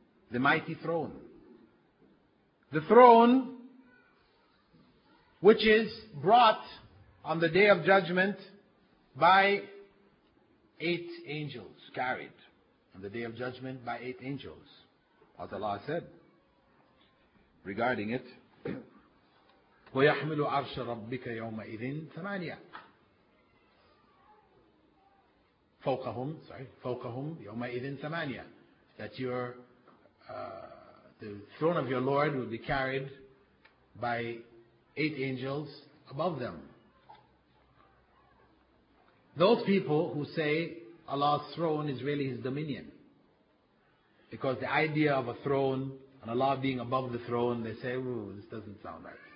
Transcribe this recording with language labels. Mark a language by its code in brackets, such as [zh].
[en] The mighty throne. The throne which is brought on the day of judgment by 8 angels, carried on the day of judgment by 8 angels. As Allah said regarding it, [ar] وَيَحْمِلُ عَرْشَ رَبِّكَ يَوْمَئِذٍ ثَمَانِيَةً فَوْقَهُمْ يَوْمَئِذٍ ثَمَانِيَةً. [en] That the throne of your Lord will be carried by 8 angels above them. Those people who say Allah's throne is really His dominion, because the idea of a throne and Allah being above the throne, they say, ooh, this doesn't sound right.